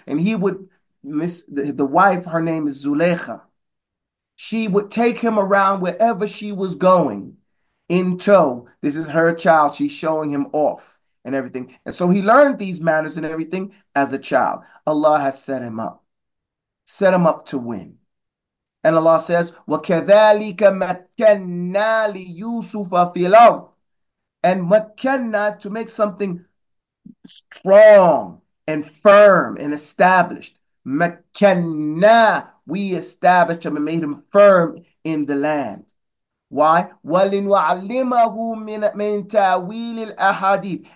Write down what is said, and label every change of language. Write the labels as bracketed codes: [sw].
[en] And he would miss the wife, her name is Zulekha. She would take him around wherever she was going in tow. This is her child. She's showing him off and everything. And so he learned these manners and everything as a child. Allah has set him up. Set him up to win. And Allah says, [ar] وَكَذَٰلِكَ مَكَّنَّا لِيُوسُفَ فِي الْأَرْضِ. [en] And makkanna, to make something strong and firm and established. Makkanna, we established him and made him firm in the land. Why? [ar] وَلِنُعَلِّمَهُ مِنْ تَعْوِيلِ الْأَحَادِيثِ.